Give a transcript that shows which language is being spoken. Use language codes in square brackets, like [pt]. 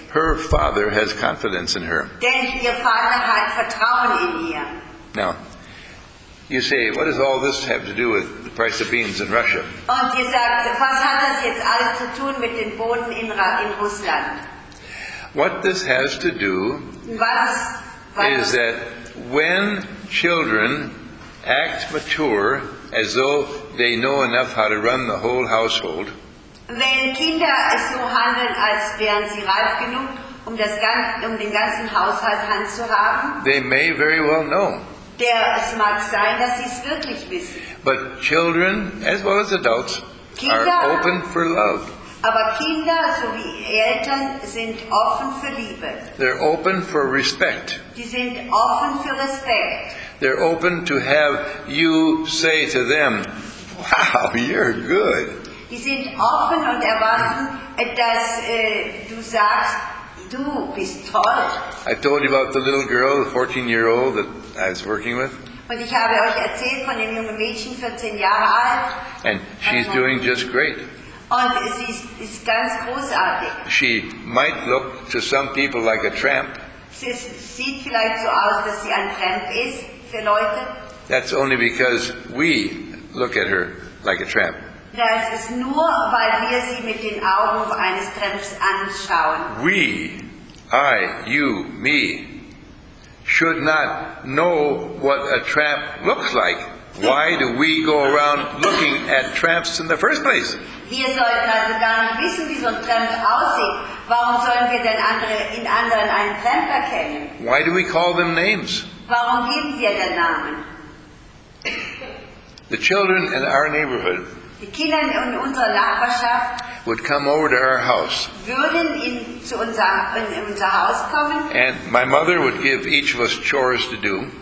[en] Her father has confidence in her. [de] Denn ihr Vater hat Vertrauen in ihr. [en] Now, you say, what does all this have to do with the price of beans in Russia? [de] Und ihr sagt, was hat das jetzt alles zu tun mit den Boden in Russland? [en] What this has to do is that when children act mature as though they know enough how to run the whole household, [de] wenn Kinder so handeln, als wären sie reif genug, den ganzen Haushalt Hand zu haben, [en] they may very well know. [de] Der, es mag sein, dass sie es wirklich wissen. [en] But children, as well as adults, [de] Kinder, [en] are open for love. [de] Aber Kinder, so wie Eltern, sind offen für Liebe. [en] They're open for respect. [de] Die sind offen für Respekt. [en] They're open to have you say to them, wow, you're good. [de] Die sind offen und erwarten, dass du sagst, du bist toll. [en] I told you about the little girl, the 14-year-old that I was working with. [de] Und ich habe euch erzählt von dem jungen Mädchen, 14 Jahre alt. [en] And she's doing just great. [de] Und sie ist ganz großartig. [en] She might look to some people like a tramp. [de] Sie sieht vielleicht so aus, dass sie ein Tramp ist für Leute. [en] That's only because we look at her like a tramp. [de] Das ist nur, weil wir sie mit den Augen eines Tramps anschauen. [en] We, I, you, me, should not know what a tramp looks like. Why do we go around looking at tramps in the first place? [de] Wir sollten also gar nicht wissen, wie so ein Tramp aussieht. Warum sollen wir denn in anderen einen Tramp erkennen? [en] Why do we call them names? [de] Warum geben Sie den Namen? [en] The children in our neighborhood [de] Die Kinder in unserer Nachbarschaft [en] would come over to our house. [de] Würden in, zu unser, in unser Haus kommen. [en] And my mother would give each of us chores to do.